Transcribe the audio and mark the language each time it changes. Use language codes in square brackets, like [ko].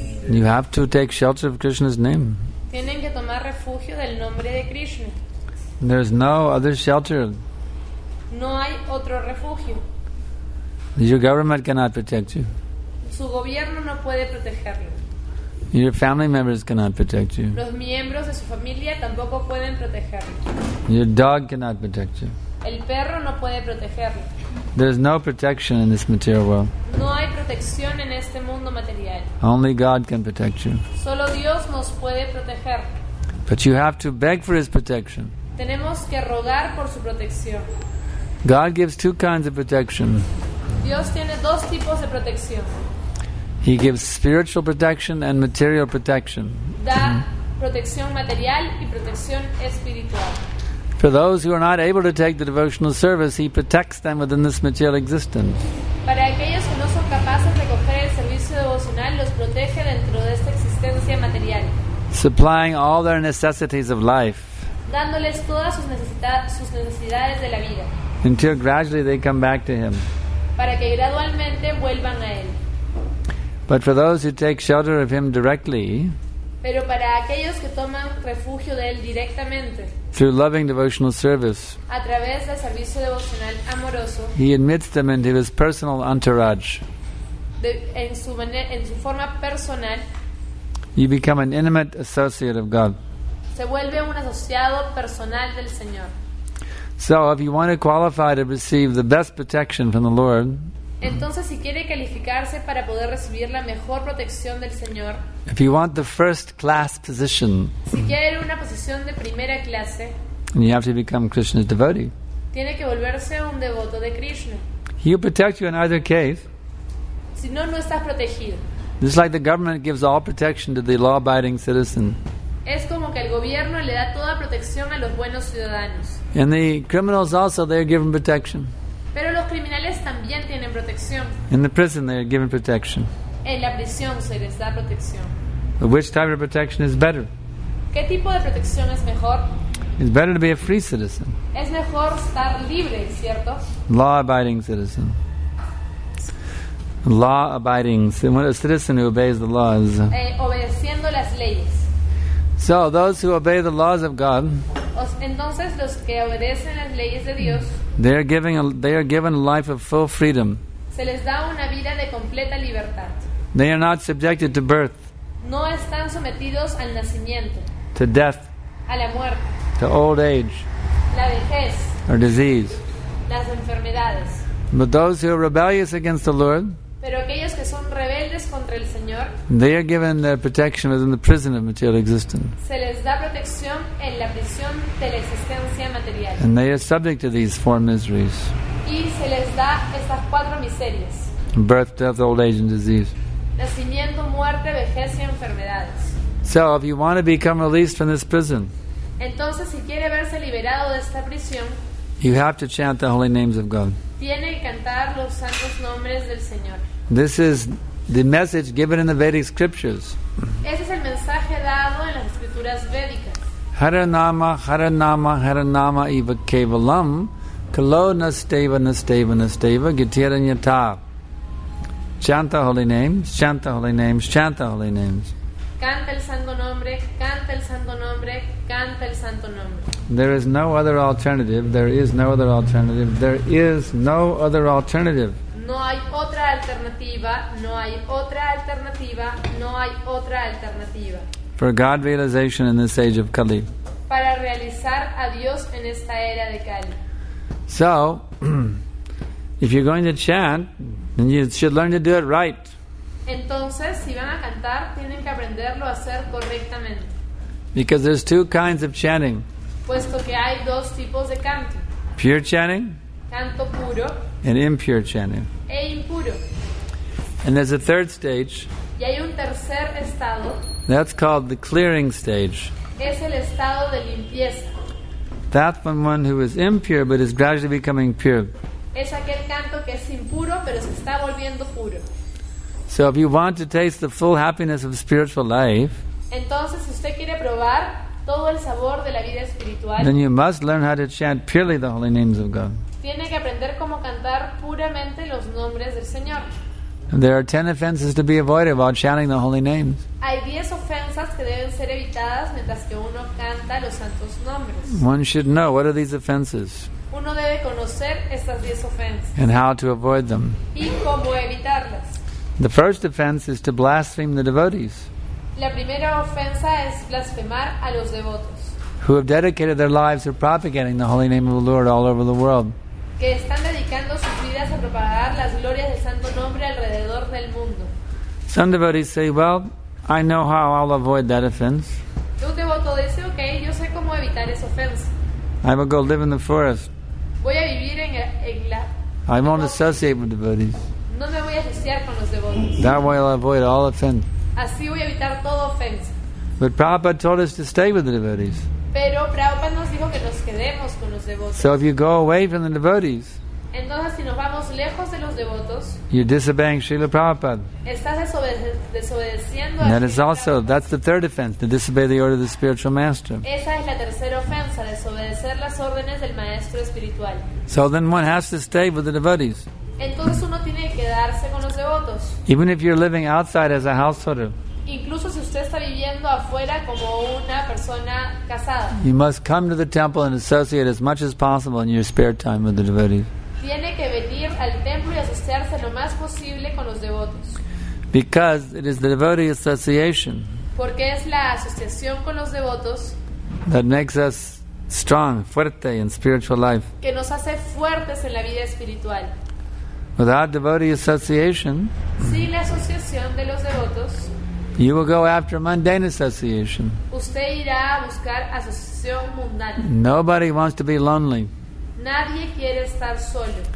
[en] You have to take shelter of Krishna's name. [es] Tienen que tomar refugio del nombre de Krishna. [en] There's no other shelter. [es] No hay otro refugio. [en] Your government cannot protect you. [es] Su gobierno no puede protegerlo. [en] Your family members cannot protect you. [es] Los miembros de su familia tampoco pueden protegerlo. [en] Your dog cannot protect you. [es] El perro no puede protegerlo. [en] There is no protection in this material world. [es] No hay protección en este mundo material. [en] Only God can protect you. [es] Solo Dios nos puede proteger. [en] But you have to beg for His protection. [es] Tenemos que rogar por su protección. [en] God gives two kinds of protection. [es] Dios tiene dos tipos de protección. [en] He gives spiritual protection and material protection. [es] Da protección material y protección espiritual. [en] For those who are not able to take the devotional service, he protects them within this material existence. [es] Para aquellos que no son capaces de coger el servicio devocional, los protege dentro de esta existencia material. [en] Supplying all their necessities of life. [es] Dándoles todas sus necesidades de la vida. [en] Until gradually they come back to him. [es] Para que gradualmente vuelvan a él. [en] But for those who take shelter of him directly, [es] pero para aquellos que toman refugio de él directamente, [en] through loving devotional service, [es] a través del servicio devocional amoroso, [en] he admits them into his personal entourage. [es] En su forma personal, [en] you become an intimate associate of God. [es] Se vuelve un asociado personal del Señor. [en] So if you want to qualify to receive the best protection from the Lord, [es] entonces si quiere calificarse para poder recibir la mejor protección del Señor, [en] if you want the first class position, [es] si quiere una posición de primera clase, [en] you have to become Krishna's devotee. [es] Tiene que volverse un devoto de Krishna. [en] He'll protect you in either case. [es] Si no, no estás protegido. [en] Just like the government gives all protection to the law-abiding citizen. [es] Es como que el gobierno le da toda protección a los buenos ciudadanos. [en] And the criminals also, they are given protection. [es] Pero los criminales también tienen protección. [en] In the prison, they are given protection. [es] En la prisión se les da protección. [en] But which type of protection is better? [es] ¿Qué tipo de protección es mejor? [en] It's better to be a free citizen. [es] Es mejor estar libre, ¿cierto? [en] Law-abiding citizen. Law-abiding, so a citizen who obeys the laws. [es] Obedeciendo las leyes. [en] So those who obey the laws of God, [es] entonces los que obedecen las leyes de Dios, [en] they are given a life of full freedom. [es] Se les da una vida de completa libertad. [en] They are not subjected to birth. [es] No están sometidos al nacimiento. [en] To death. [es] A la muerte. [en] To old age. [es] La vejez. [en] Or disease. [es] Las enfermedades. [en] But those who are rebellious against the Lord, [es] pero aquellos que son rebeldes contra el Señor, [en] they are given their protection within the prison of material existence. [es] Se les da protección en la prisión de la existencia material. [en] And they are subject to these four miseries. [es] Y se les da estas cuatro miserias. [en] Birth, death, old age and disease. [es] Nacimiento, muerte, vejez y enfermedades. [en] So if you want to become released from this prison, [es] entonces si quiere verse liberado de esta prisión, [en] you have to chant the holy names of God. [es] Tiene que cantar los santos nombres del Señor. [en] This is the message given in the Vedic scriptures. [es] Ese es el mensaje dado en las escrituras védicas. [sa] Haranama, Haranama, Haranama, Iva Kevalam, Kalo Nasteva, Nasteva, Nasteva, Gitiranyata. [en] Chant the holy names, chant the holy names, chant the holy names. [es] Canta el santo nombre, canta el santo nombre, canta el santo nombre. [en] There is no other alternative, there is no other alternative, there is no other alternative. [es] No hay otra alternativa, no hay otra alternativa, no hay otra alternativa. [en] For God realization in this age of Kali. [es] Para realizar a Dios en esta era de Kali. [en] So, if you're going to chant, then you should learn to do it right. [es] Entonces, si van a cantar, tienen que aprenderlo a hacer correctamente. [en] Because there's two kinds of chanting. [es] Puesto que hay dos tipos de canto. [en] Pure chanting. [es] Canto puro. [en] And impure chanting. [es] E impuro. [en] And there's a third stage. [es] Y hay un tercer estado. [en] That's called the clearing stage. [es] Es el estado de limpieza. [en] That's when one who is impure but is gradually becoming pure. [es] Es aquel canto que es impuro pero se está volviendo puro. [en] So if you want to taste the full happiness of spiritual life, [es] entonces si usted quiere probar todo el sabor de la vida espiritual, [en] then you must learn how to chant purely the holy names of God. [es] Tiene que aprender cómo cantar puramente los nombres del Señor. [en] And there are 10 offenses to be avoided while chanting the holy names. [es] Hay 10 ofensas que deben ser evitadas mientras que uno canta los santos nombres. [en] One should know what are these offenses. [es] Uno debe conocer estas 10 ofensas. [en] And how to avoid them. [es] Y cómo evitarlas. [en] The first offense is to blaspheme the devotees. [es] La primera ofensa es blasfemar a los devotos. [en] Who have dedicated their lives to propagating the holy name of the Lord all over the world. [es] Que están dedicando sus vidas a propagar las glorias del santo nombre alrededor del mundo. [en] Some devotees say, well, I know how I'll avoid that offense. [es] Un devoto dice, okay, yo sé cómo evitar esa ofensa. [en] I will go live in the forest. [es] Voy a vivir [en] I won't associate with devotees. [es] No me voy a asociar con los devotos. [en] That way I'll avoid all offense. [es] Así voy a evitar toda ofensa. [en] But Prabhupada told us to stay with the devotees. [es] Pero Prabhupada nos dijo que nos quedemos con los devotos. [en] So if you go away from the devotees, [es] entonces, si nos vamos lejos de los devotos, [en] you're disobeying Srila Prabhupada. [es] Estás desobedeciendo a Srila Prabhupada. [en] That's the third offense, to disobey the order of the spiritual master. [es] Esa es la tercera ofensa, desobedecer las órdenes del maestro espiritual. [en] So then one has to stay with the devotees. [es] Entonces uno tiene que quedarse con los devotos. [en] Even if you're living outside as a householder. [es] Incluso si usted está viviendo afuera como una persona casada. [en] You must come to the temple and associate as much as possible in your spare time with the devotees. [es] Tiene que venir al templo y asociarse lo más posible con los devotos. [en] Because it is the devotee association. [es] Porque es la asociación con los devotos. [en] That makes us strong, fuerte in spiritual life. [es] Que nos hace fuertes en la vida espiritual. [en] Without devotee association. [es] Sin la asociación de los devotos. [en] You will go after mundane association. [es] Usted irá a buscar asociación mundana. [en] Nobody wants to be lonely. [es] Nadie quiere estar solo.